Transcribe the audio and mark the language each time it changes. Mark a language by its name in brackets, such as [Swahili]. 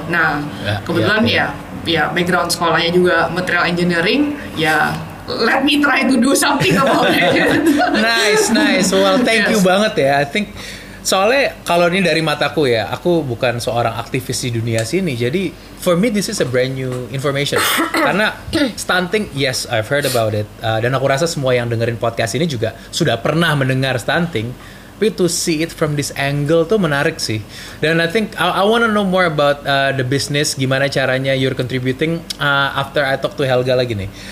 [Indonesian] Nah, kebetulan ya background sekolahnya juga material engineering, ya [English] let me try to do something about it. Nice. Well, thank you [Indonesian] banget ya. [English] I think [Indonesian] soalnya kalau ini dari mataku ya, aku bukan seorang aktivis di dunia sini. Jadi [English] for me this is a brand new information. [Indonesian] Karena [English] stunting, yes, I've heard about it. [Indonesian] Dan aku rasa semua yang dengerin podcast ini juga sudah pernah mendengar stunting. Tapi [English] to see it from this angle [Indonesian] tuh menarik sih. Dan [English] I think I wanna know more about the business, [Indonesian] gimana caranya [English] you're contributing after I talk to Helga [Indonesian] lagi nih.